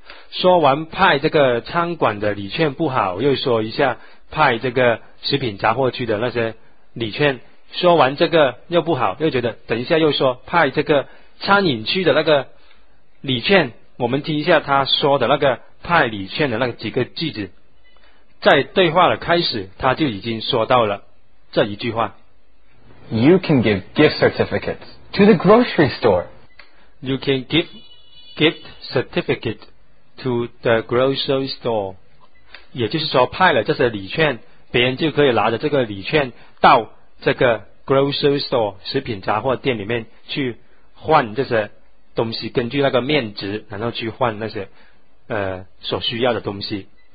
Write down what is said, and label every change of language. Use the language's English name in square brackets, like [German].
[Chinese] 说完派这个餐馆的礼券不好，又说一下派这个食品杂货区的那些礼券，说完这个又不好，又觉得等一下又说派这个餐饮区的那个礼券。我们听一下他说的那个派礼券的那几个句子，在对话的开始他就已经说到了这一句话。 [English] You can give gift certificates to the grocery store. You can give gift certificate to the grocery store. [Chinese] 也就是说派了这些礼券，别人就可以拿着这个礼券到这个 grocery store 食品杂货店里面去换这些东西，根据那个面值然后去换那些所需要的东西。